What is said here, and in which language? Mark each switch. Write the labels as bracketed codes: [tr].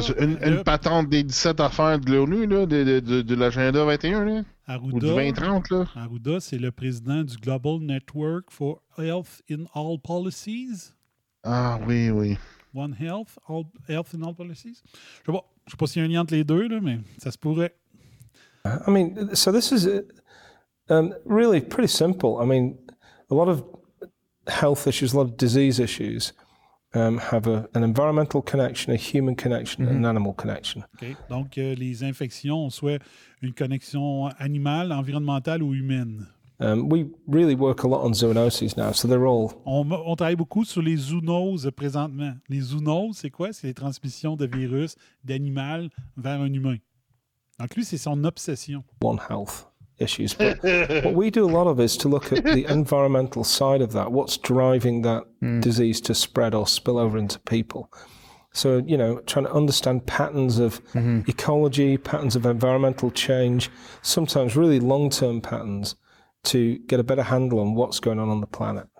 [fr] c'est une patente des 17 affaires de l'ONU, là, de l'agenda 21, là, Arruda, ou du 2030. Arruda, c'est le président du Global Network for Health in All Policies. Ah oui, oui. [en] One Health, All Health in All Policies. [fr] Je sais pas s'il y a un lien entre les deux, là, mais ça se pourrait. [en] I mean, so this is really pretty simple. I mean, a lot of health issues, a lot of disease issues, have an environmental connection, a human connection, mm-hmm. an animal connection. Okay. [fr] Donc, les infections ont soit une connexion animale, environnementale ou humaine. [en] We really work a lot on zoonoses now, so they're all... [fr] On travaille beaucoup sur les zoonoses présentement. Les zoonoses, c'est quoi? C'est les transmissions de virus d'animal vers un humain. Donc, lui, c'est son obsession. [en] One Health issues. But what we do a lot of is to look at the environmental side of that. What's driving that disease to spread or spill over into people? So, you know, trying to understand patterns of ecology, patterns of environmental change, sometimes really long-term patterns to get a better handle on what's going on the planet.